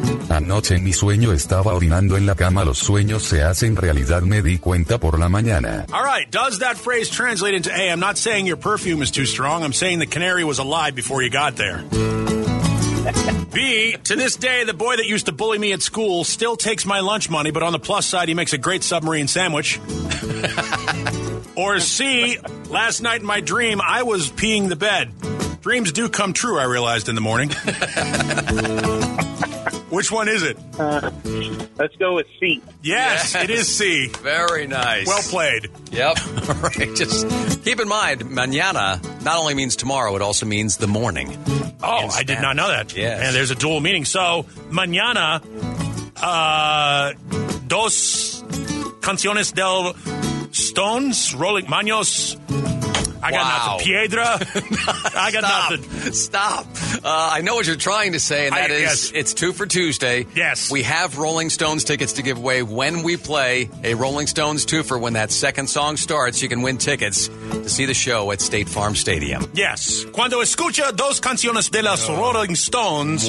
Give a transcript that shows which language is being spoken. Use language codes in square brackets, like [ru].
[es] Anoche en mi sueño estaba orinando en la cama. Los sueños se hacen realidad. Me di cuenta por la mañana. [en] All right. Does that phrase translate into, hey, I'm not saying your perfume is too strong. I'm saying the canary was alive before you got there. B, to this day, the boy that used to bully me at school still takes my lunch money, but on the plus side, he makes a great submarine sandwich. Or C, last night in my dream, I was peeing the bed. Dreams do come true, I realized in the morning. Which one is it? Let's go with C. Yes, it is C. Very nice. Well played. Yep. All right. Just keep in mind, mañana not only means tomorrow, it also means the morning. Oh, I did not know that. Yes. And there's a dual meaning. [es] So, mañana, dos canciones del Stones, Rolling Maños. [en] I got nothing. Piedra. I got nothing. Stop. I know what you're trying to say, and that is it's two for Tuesday. Yes. We have Rolling Stones tickets to give away when we play a Rolling Stones twofer. When that second song starts, you can win tickets to see the show at State Farm Stadium. Yes. [es] Cuando escucha dos canciones de las Rolling Stones.